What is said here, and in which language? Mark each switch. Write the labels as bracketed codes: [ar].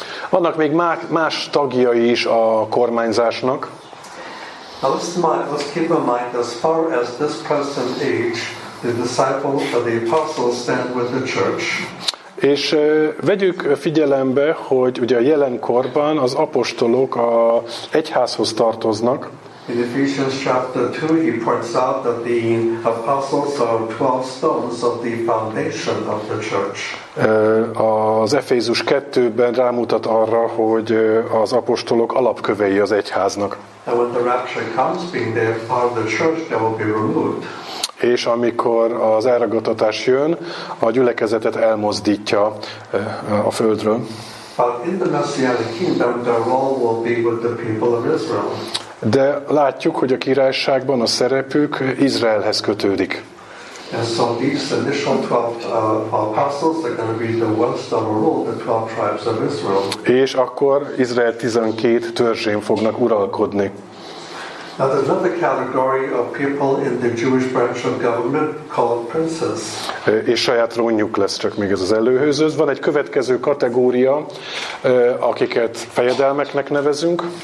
[hu] Vannak még más tagjai is a kormányzásnak. [en] Now let's keep in mind, as far as this present age, the disciples or the apostles stand with the church. [hu] És vegyük figyelembe, hogy ugye a jelenkorban az apostolok a egyházhoz tartoznak. [en] In Ephesians chapter 2, he points out that the apostles are 12 stones of the foundation of the church. [hu] Az Efézus 2-ben rámutat arra, hogy az apostolok alapkövei az egyháznak. [en] And when the rapture comes, being there part of the church, they will be removed. [hu] És amikor az elragadtatás jön, a gyülekezetet elmozdítja a földről. [en] But in the Messianic kingdom, their role will be with the people of Israel. [hu] De látjuk, hogy a királyságban a szerepük Izraelhez kötődik. [en] And so these initial 12 apostles are going to be the ones that will rule the 12 tribes of Israel. [hu] És akkor Izrael 12 törzsén fognak uralkodni. [en] Now there's another category of people in the Jewish branch of government called princes. [hu] És saját rónjuk lesz csak még ez az előhőzőz. Van egy következő kategória, akiket fejedelmeknek nevezünk.